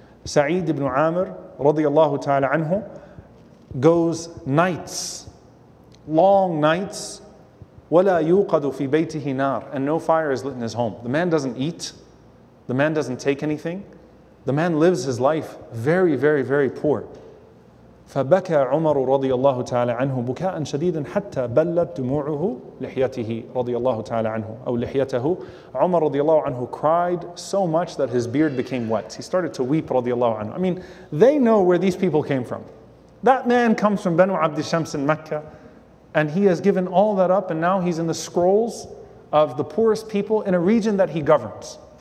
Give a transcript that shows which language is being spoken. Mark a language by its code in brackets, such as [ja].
[en] Saeed ibn Amir, radiallahu ta'ala anhu, goes nights, long nights, [ar] وَلَا يُوقَدُ فِي بَيْتِهِ نَارٍ, [en] and no fire is lit in his home. The man doesn't eat. The man doesn't take anything. The man lives his life very, very, very poor. [ar] فَبَكَى عُمَرُ رَضِيَ اللَّهُ تَعَالَى عَنْهُ بُكَاءً شَدِيدًا حَتَّى بَلَّتْ دُمُوعُهُ لِحْيَتِهِ رَضِيَ اللَّهُ تَعَالَى عَنْهُ أو لِحْيَتَهُ. [en] Umar رضي الله عنه cried so much that his beard became wet. He started to weep رضي الله عنه. I mean, they know where these people came from. That man comes from Banu Abd al-Shams in Mecca, and he has given all that up, and now he's in the scrolls of the poorest people in a region that he governs.